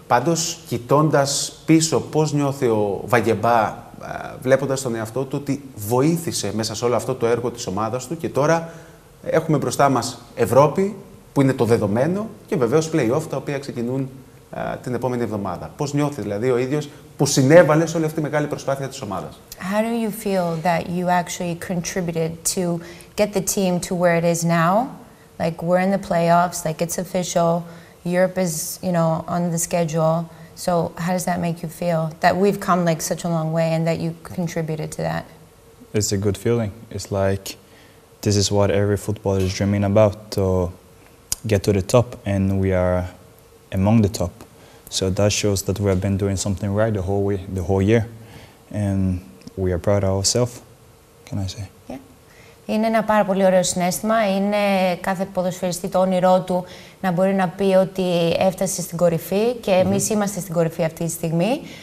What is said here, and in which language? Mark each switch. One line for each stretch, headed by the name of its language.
Greek: Πάντως, κοιτώντας πίσω πώς νιώθει ο Βαγεμπά, βλέποντας τον εαυτό του, ότι βοήθησε μέσα σε όλο αυτό το έργο της ομάδας του και τώρα έχουμε μπροστά μας Ευρώπη, που είναι το δεδομένο, και βεβαίως play-off τα οποία ξεκινούν την επόμενη εβδομάδα. Πώς νιώθει δηλαδή ο ίδιος που συνέβαλε σε όλη αυτή τη μεγάλη προσπάθεια της ομάδας?
English: How do you feel that you actually contributed to get the team to where it is now? Like, we're in the playoffs, like, it's official. Europe is, you know, on the schedule. So how does that make you feel? That we've come like such a long way and that you contributed to that? It's a good feeling. It's like, this is what every footballer is dreaming about. So get to the top, and we are among the top. So that shows that we have been doing something right the whole way, the whole year. And we are proud of ourselves, can I say.
Greek: Είναι ένα πάρα πολύ ωραίο συνέστημα. Είναι κάθε ποδοσφαιριστή το όνειρό του να μπορεί να πει ότι έφτασε στην κορυφή και εμείς είμαστε στην κορυφή αυτή τη στιγμή.